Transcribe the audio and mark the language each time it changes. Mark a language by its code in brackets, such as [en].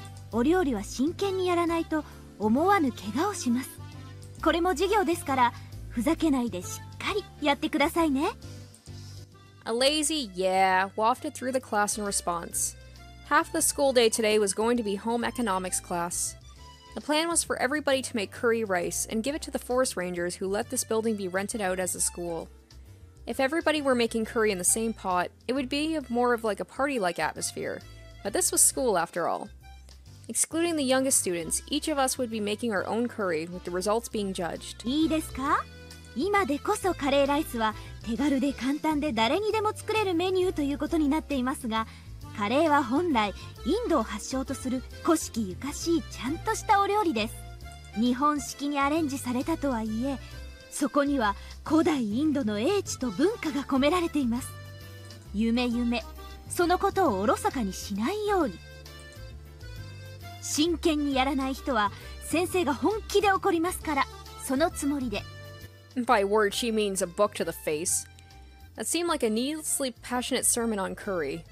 [ja] お料理は真剣にやらないと思わぬ怪我をします。これも授業ですから、ふざけないでしっかりやってくださいね。 [en] A lazy yeah wafted through the class in response. Half the school day today was going to be home economics class. The plan was for everybody to make curry rice and give it to the forest rangers who let this building be rented out as a school. If everybody were making curry in the same pot, it would be more of like a party-like atmosphere. But this was school after all. Excluding the youngest students, each of us would be making our own curry, with the results being judged. [ja] いいですか? 今でこそカレーライスは手軽で簡単で誰にでも作れるメニューということになっていますが、カレーは本来インドを発祥とする古式ゆかしいちゃんとしたお料理です。日本式にアレンジされたとはいえ、そこには古代インドの英知と文化が込められています。夢。そのことをおろそかにしないように。真剣にやらない人は先生が本気で怒りますから、そのつもりで。 [en] By word, she means a book to the face. That seemed like a needlessly passionate sermon on curry.